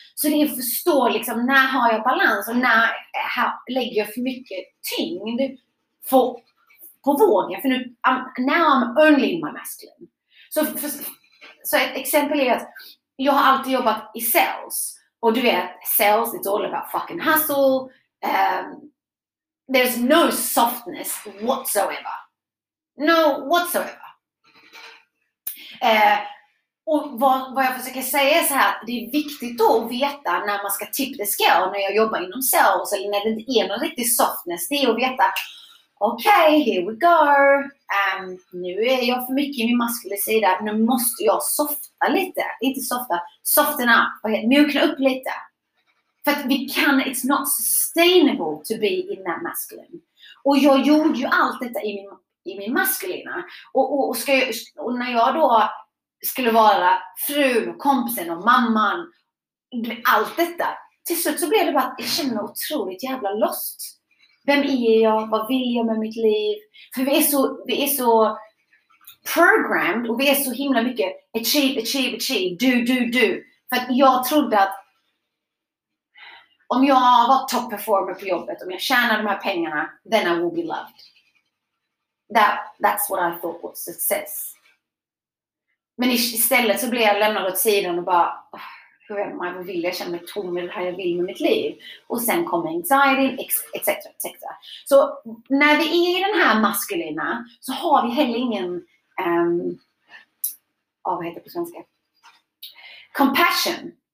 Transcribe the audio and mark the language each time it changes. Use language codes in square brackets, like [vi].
[sv] Så det är att förstå liksom, när har jag balans och när lägger jag för mycket tyngd på vågen. För nu, [en] now I'm only in my masculine. [sv] Så ett exempel är att jag har alltid jobbat i sales. Och du vet, [en] sales, it's all about fucking hustle. There's no softness whatsoever. No whatsoever. [sv] Och vad jag försöker säga är så här, det är viktigt då att veta när man ska [en] tip the scale, [sv] när jag jobbar inom sales eller när det inte är någon riktig softness. Det är att veta, okej, [en] okay, here we go. [sv] Nu är jag för mycket i min maskulina sida. Nu måste jag softa lite. Inte softa, [en] soften up. Okay, [sv] mjukna upp lite. För att vi kan, [en] it's not sustainable to be in that masculine. [sv] Och jag gjorde ju allt detta i min maskulina. Och när jag då skulle vara fru, kompisen och mamman. Allt detta. Till slut så blev det bara att jag kände mig otroligt jävla lost. Vem är jag? Vad vill jag med mitt liv? För vi är så programmed och vi är så himla mycket [en] achieve, achieve, achieve, do, do, do. [sv] För att jag trodde att om jag var top performer på jobbet, om jag tjänar de här pengarna, [en] then I will be loved. That's what I thought was success. [sv] Men istället så blev jag lämnad åt sidan och bara... Hur är man vill, jag känner mig tom med det här jag vill med mitt liv. Och sen kommer anxiety, etc, etc. Så när vi är i den här maskulina så har vi heller ingen, vad heter det på svenska? Compassion.